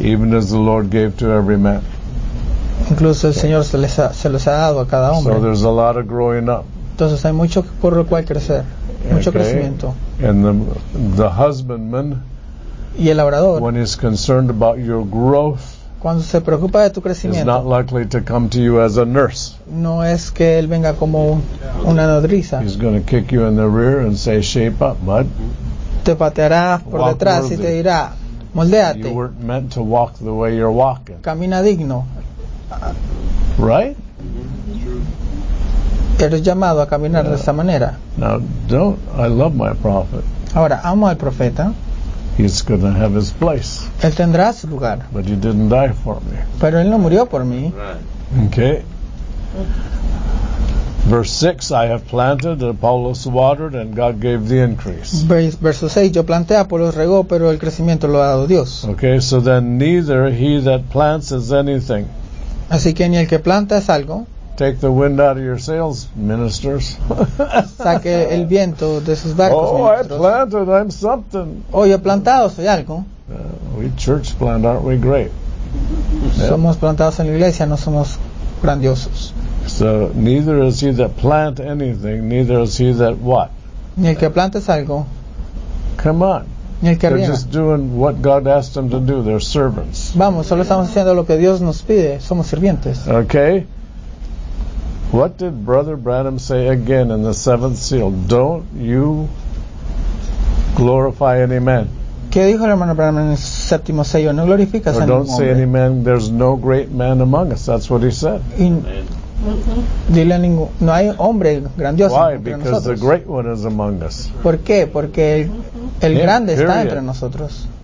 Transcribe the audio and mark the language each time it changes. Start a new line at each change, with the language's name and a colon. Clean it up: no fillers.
English: Even as the Lord gave to every man.
Spanish: Incluso el Señor se los ha dado a cada hombre.
English: So there's a lot of growing up.
Spanish: Entonces hay mucho por lo cual crecer. Mucho
English: okay.
Spanish: Crecimiento.
English: And the husbandman.
Spanish: Y el labrador.
English: When he's concerned about your growth.
Spanish: Cuando se preocupa de tu crecimiento,
English: is not likely to come to you as a nurse.
Spanish: No es que él venga como una nodriza.
English: He's going to kick you in the rear and say, shape up, bud.
Spanish: Te pateará por
English: walk
Spanish: detrás
English: worthy.
Spanish: Y te dirá, moldéate.
English: You weren't meant to walk the way you're walking.
Spanish: Camina digno.
English: Right?
Spanish: Eres llamado a caminar de esa manera.
English: Now, don't. I love my prophet.
Spanish: Ahora, amo al profeta.
English: He's going to have his place.
Spanish: Él tendrá su lugar.
English: But he didn't die for me.
Spanish: Pero él no murió por mí.
English: Right. Okay. Verse 6, I have planted, Apollos watered, and God gave the increase.
Spanish: Verso 6, yo planté, Apolos regó, pero el crecimiento lo ha dado Dios.
English: Okay, so then neither he that plants is anything.
Spanish: Así que ni el que planta es algo.
English: Take the wind out of your sails, ministers.
Spanish: Saque el viento de sus barcos, oh, ministros.
English: I planted, I'm something.
Spanish: Oh, yo plantado, soy algo.
English: We church plant, aren't we great?
Spanish: Somos plantados en la iglesia, no somos grandiosos.
English: So, neither is he that plant anything, neither is he that what?
Spanish: Ni el que planta es algo.
English: Come on.
Spanish: Ni el que
English: they're just doing what God asked them to do, they're servants.
Spanish: Vamos, solo estamos haciendo lo que Dios nos pide, somos sirvientes.
English: Okay. What did Brother Branham say again in the seventh seal? Don't you glorify any man.
Spanish: ¿Qué dijo el hermano Branham en el séptimo sello? No glorificas a ningún hombre.
English: Or don't say any man. There's no great man among us. That's what he said.
Spanish: Dile a ningún. No hay hombre grandioso entre nosotros.
English: Why? Because the great one is among us.
Spanish: ¿Por qué? Porque el grande está entre nosotros.